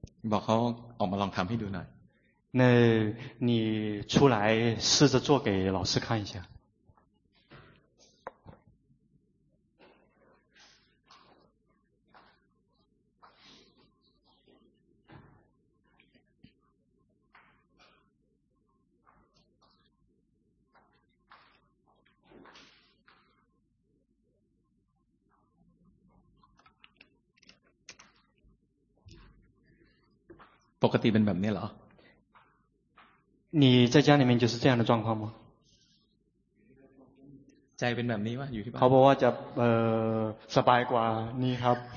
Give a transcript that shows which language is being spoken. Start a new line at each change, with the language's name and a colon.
Thai: บอกเขาออกมาลองทำให้ดูหน่อย
Chinese: 那你出来试着做给老师看一下
Thai: ปกติเป็นแบบนี้เหรอ
Chinese: 你在家里面就是这样的状况吗？
Thai: ใจเป็นแบบนี้วะอยู่ที่บ้ านเขาบอกว่าจะสบายกว่านี่ครับ